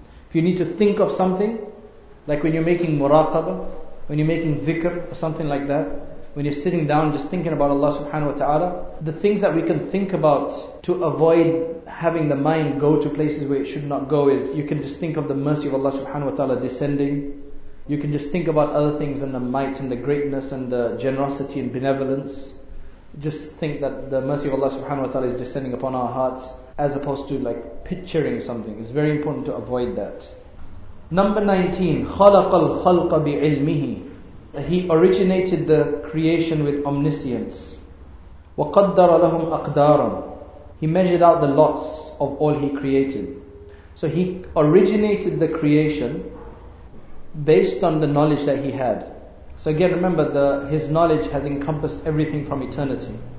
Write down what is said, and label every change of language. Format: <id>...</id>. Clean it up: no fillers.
<en>If you need to think of something, like when you're making muraqabah, when you're making dhikr or something like that, when you're sitting down just thinking about Allah subhanahu wa ta'ala, the things that we can think about to avoid having the mind go to places where it should not go is, you can just think of the mercy of Allah subhanahu wa ta'ala descending. You can just think about other things and the might and the greatness and the generosity and benevolence. Just think that the mercy of Allah subhanahu wa ta'ala is descending upon our hearts, as opposed to like picturing something. It's very important to avoid that. Number 19,</en> <ar>خَلَقَ الْخَلْقَ بِعِلْمِهِ.</ar> <en>He originated the creation with omniscience.</en> <ar>وَقَدَّرَ لَهُمْ أَقْدَارًا.</ar> <en>He measured out the lots of all he created. So he originated the creation based on the knowledge that he had. So again, remember, his knowledge has encompassed everything from eternity.</en>